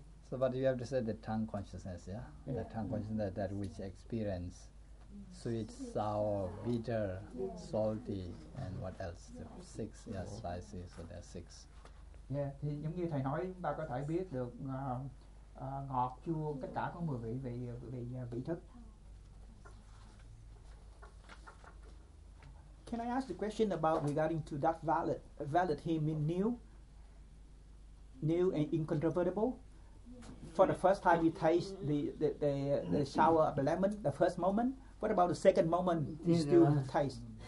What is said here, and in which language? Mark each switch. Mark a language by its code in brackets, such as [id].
[en] So, but you have to say the tongue consciousness, yeah? The tongue consciousness that which experience sweet, sour, bitter, salty, and what else? The six, yeah, spices, so there are six. [vi] Yeah, thì giống như thầy nói chúng ta có thể biết được ngọt, chua, tất cả có 10 vị thức. [en] Can I ask the question about regarding to that valid? Valid here mean new? New and incontrovertible? For the first time you taste the sour of the lemon, the first moment, what about the second moment you still taste?